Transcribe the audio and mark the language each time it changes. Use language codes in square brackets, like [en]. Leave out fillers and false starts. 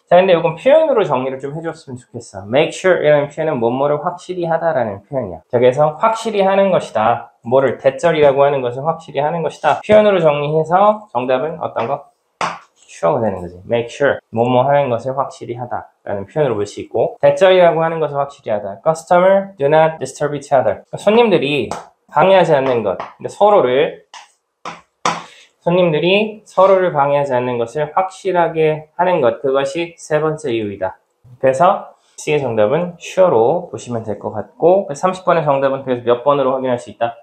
[ko] 자, 근데 이건 표현으로 정리를 좀 해줬으면 좋겠어. make sure 이라는 표현은 뭐뭐를 확실히 하다라는 표현이야. 자, 그래서 확실히 하는 것이다. 뭐를 대절이라고 하는 것은 확실히 하는 것이다. 표현으로 정리해서 정답은 어떤 거? sure가 되는 거지. make sure, 뭐뭐 하는 것을 확실히 하다 라는 표현으로 볼 수 있고, 대절이라고 하는 것을 확실히 하다. [en] customer do not disturb each other. [ko] 그러니까 손님들이 방해하지 않는 것. 근데 서로를, 손님들이 서로를 방해하지 않는 것을 확실하게 하는 것. 그것이 세 번째 이유이다. 그래서 C의 정답은 sure로 보시면 될 것 같고, 30번의 정답은 그래서 몇 번으로 확인할 수 있다?